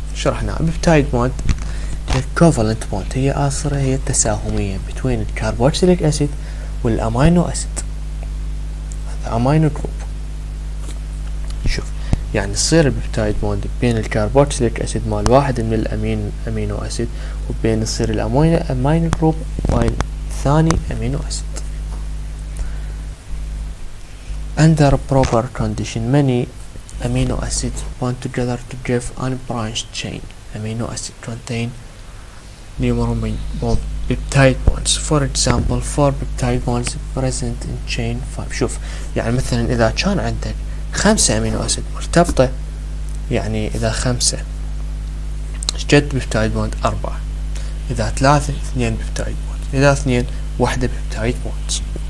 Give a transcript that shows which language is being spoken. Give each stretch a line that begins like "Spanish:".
Arabic: شرحنا البيبتايد بوند هي كوفالنت بوند، هي اسره، هي تساهميه بين الكاربوكسيليك اسيد والامينو اسيد، هذا امينو جروب. شوف يعني تصير البيبتايد بوند بين الكاربوكسيليك اسيد مال واحد من الامينو اسيد، وبين يصير الامينو جروب مال ثاني امينو اسيد.
English: under proper condition many amino acids bond together to give unbranched chain amino acid contain numerous peptide bonds. For example, 4 peptide bonds present in chain 5.
Arabic: شوف يعني مثلا اذا كان عندك 5 امينو اسيد مرتبطة، يعني اذا 5 شجد peptide bond 4، اذا 3 2 peptide bonds، اذا 2 1 peptide bonds.